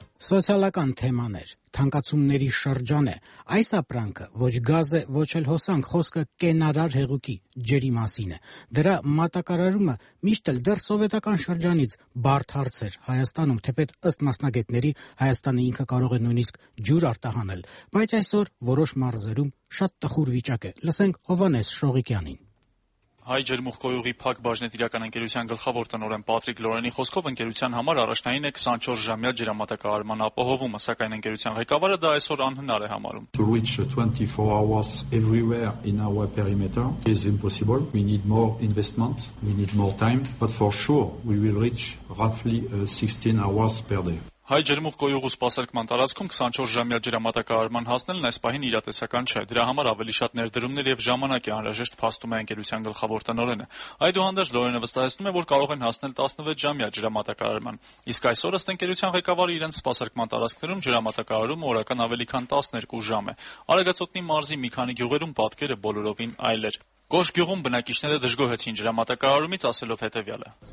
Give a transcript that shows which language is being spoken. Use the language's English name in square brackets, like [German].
[Armenian] Սոցիալական թեմաներ, թանկացումների շրջան է, այս ապրանքը ոչ գազ է, ոչ էլ հոսանք, խոսքը կենարար հեղուկի, ջերի մասին է, դրա մատակարարումը միշտ էլ դեռ սովետական շրջանից բարդ հարց էր Հայաստանում, թեպետ ըստ մասնագետների Հայաստանը ինքը կարող է նույնիսկ ջուր արտահանել, բայց այսօր որոշ մարզերում շատ տխուր վիճակ է, լսենք Հովանես Շողիկյանին։ Հայ ջերմուխկոյուղի փակ բաժնետիրական ընկերության գլխավոր տնօրեն Պատրիկ Լորենի խոսքով ընկերության համար առաջնային է 24 ժամյա ջրամատակարարման ապահովումը, սակայն ընկերության ղեկավարը դա այսօր անհնար է համարում։ [English] To reach 24 hours everywhere in our perimeter is impossible. We need more investment, we need more time, but for sure we will reach roughly 16 hours per day. [Armenian] Հայ ջերմուխկոյուղու սպասարկման տարածքում 24 ժամյա ջրամատակարարման հասնելն այս պահին իրատեսական չէ։ Դրա համար ավելի շատ ներդրումներ եւ ժամանակ է անհրաժեշտ, փաստում է ընկերության գլխավոր տնօրենը։ Այդուհանդերձ Լորենը վստահեցնում է, որ կարող են հասնել 16 ժամյա ջրամատակարարման։ Իսկ այսօր ըստ ընկերության ղեկավարի իրենց սպասարկման տարածքներում ջրամատակարարումը օրական ավելի քան 12 ժամ է։ Արագածոտնի մարզի մի քանի գյուղերում պատկերը բոլորովին այլ էր։ Գոշ գյուղում բնակիչները դժգոհեցին ջրամատակարարումից, ասելով հետևյալը.